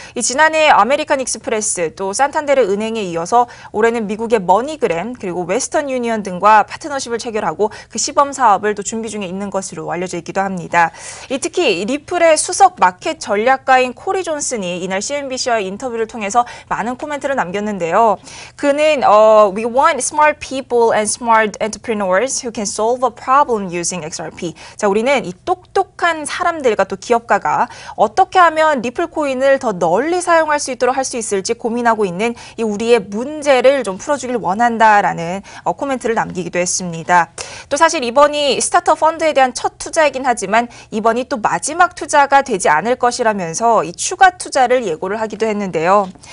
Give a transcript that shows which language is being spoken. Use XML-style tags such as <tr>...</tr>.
<ko>이 지난해 아메리칸 익스프레스 또 산탄데르 은행에 이어서 올해는 미국의 머니그램 그리고 웨스턴 유니언 등과 파트너십을 체결하고 그 시범 사업을 또 준비 중에 있는 것으로 알려져 있기도 합니다. 이 특히 리플의 수석 마켓 전략가인 코리 존슨이 이날 CNBC와의 인터뷰를 통해서 많은 코멘트를 남겼는데요. 그는</ko> <en>We want smart people and smart entrepreneurs who can solve a problem using XRP.</en> <ko>자, 우리는 이 똑똑한 사람들과 또 기업가가 어떻게 하면 리플 코인을 더 널리 사용할 수 있도록 할수 있을지 고민하고 있는 이 우리의 문제를 좀 풀어주길 원한다라는 코멘트를 남기기도 했습니다. 또 사실 이번이 스타트업 펀드에 대한 첫 투자이긴 하지만 이번이 또 마지막 투자가 되지 않을 것이라면서 이 추가 투자를 예고를 하기도 했는데요.</ko>